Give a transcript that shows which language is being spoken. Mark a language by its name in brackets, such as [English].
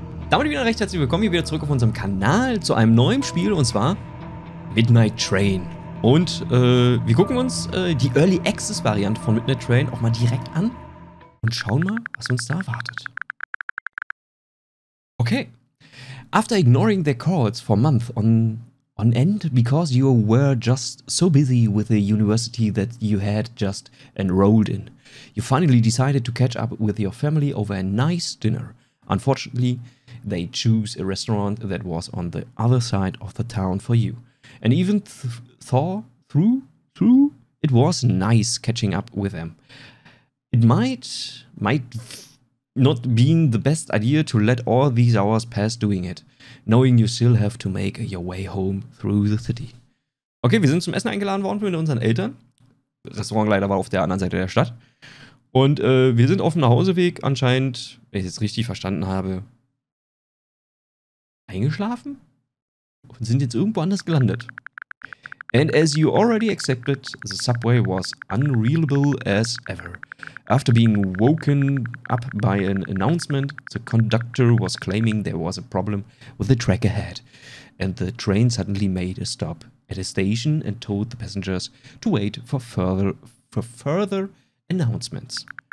[German] Damit wieder recht herzlich willkommen hier wieder zurück auf unserem Kanal zu einem neuen Spiel und zwar Midnight Train. Und wir gucken uns die Early Access Variante von Midnight Train auch mal direkt an und schauen mal, was uns da erwartet. Okay. [English] After ignoring their calls for months on end because you were just so busy with the university that you had just enrolled in, you finally decided to catch up with your family over a nice dinner. Unfortunately, they choose a restaurant that was on the other side of the town for you. And even through, it was nice catching up with them. It might not been the best idea to let all these hours pass doing it, knowing you still have to make your way home through the city. [German] Okay, wir sind zum Essen eingeladen worden mit unseren Eltern. Das Restaurant leider war auf der anderen Seite der Stadt. Und wir sind auf dem Nachhauseweg anscheinend, wenn ich es richtig verstanden habe, eingeschlafen und sind jetzt irgendwo anders gelandet. [English] And as you already accepted, the subway was unreadable as ever. After being woken up by an announcement, the conductor was claiming there was a problem with the track ahead. And the train suddenly made a stop at a station and told the passengers to wait for further announcements.